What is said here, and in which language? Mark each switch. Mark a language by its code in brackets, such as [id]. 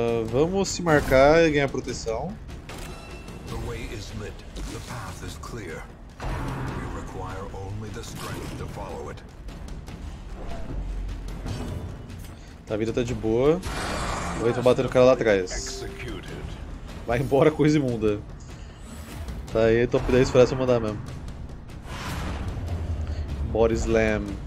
[pt] Vamos se marcar e ganhar proteção. [en] The way is lit. The path is clear. We require only the strength to follow it. [pt] A vida tá de boa. Eu tô batendo o cara lá atrás. Vai embora, coisa imunda. Tá aí, top 10 pra mandar mesmo. [en] Body slam.